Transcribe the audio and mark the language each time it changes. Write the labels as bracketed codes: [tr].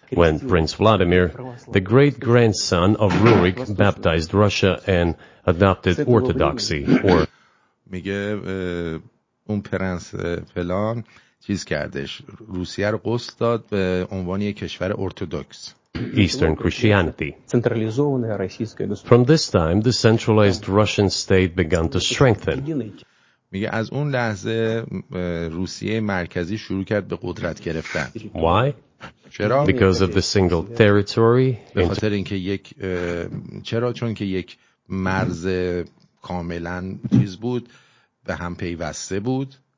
[en] When Prince Vladimir, the great grandson of Rurik, baptized Russia and adopted Orthodoxy, or [fa] میگه اون پرنس فلان چیز کردش، روسیه رو غسل داد به عنوان یک کشور ارتدوکس. [en] Eastern Christianity. From this time, the centralized Russian state began to strengthen. [fa] میگه از اون لحظه روسیه مرکزی شروع کرد به قدرت گرفتن. [en] Why? [fa] چرا؟ [en] Because of the single territory. [fa] به خاطر اینکه یک چرا؟ چون که یک مرز کاملا چیز بود، به هم پیوسته بود.